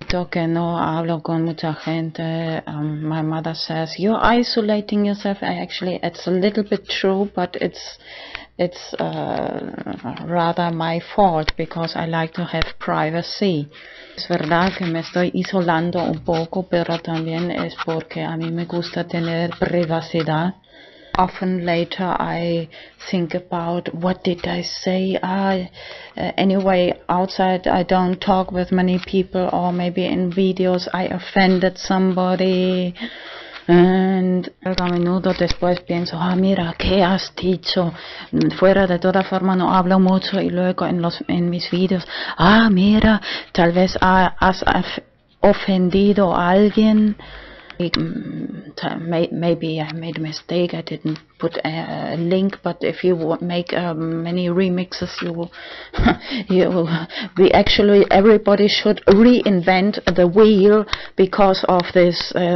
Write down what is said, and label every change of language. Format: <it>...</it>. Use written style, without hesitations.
<es>Que no hablo con mucha gente.</es> <en>My mother says you're isolating yourself. Actually, it's a little bit true, but it's rather my fault because I like to have privacy.</en> <es>Es verdad que me estoy isolando un poco, pero también es porque a mí me gusta tener privacidad.</es> <en>Often later I think about what did I say. Anyway, outside I don't talk with many people, or maybe in videos I offended somebody.</en> <es>And a minuto después pienso, ah, mira, ¿qué has dicho? Fuera de toda forma no hablo mucho, y luego en mis videos, ah, mira, tal vez has ofendido a alguien.</es> <en>Maybe I made a mistake, I didn't put a link, but if you make many remixes, everybody should reinvent the wheel because of this.</en>